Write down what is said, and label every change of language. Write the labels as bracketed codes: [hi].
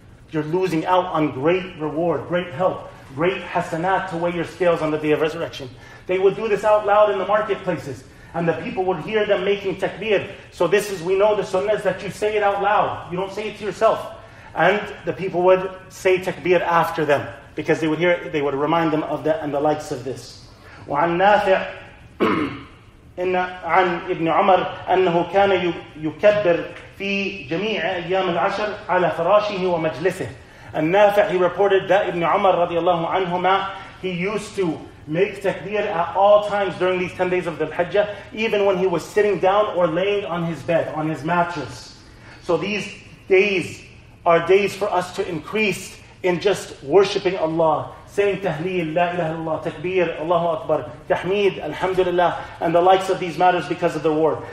[en] You're losing out on great reward, great help, great hasanat to weigh your scales on the day of resurrection. They would do this out loud in the marketplaces, and the people would hear them making takbir. So this is, we know the sunnah is that you say it out loud. You don't say it to yourself. And the people would say takbir after them, because they would hear it, they would remind them of that and the likes of this. [ar] وعن نافع إن عن ابن عمر أنه كان يكبر في جميع أيام العشر على فراشه ومجلسه. [en] النافع, he reported that ابن عمر [ar] رضي الله عنهما, [en] he used to make takbir at all times during these 10 days of the Hajjah, even when he was sitting down or laying on his bed, on his mattress. So these days are days for us to increase in just worshipping Allah, saying tahleel, [ar] la ilaha illallah, [en] takbir, Allahu Akbar, tahmeed, alhamdulillah, and the likes of these matters because of the reward.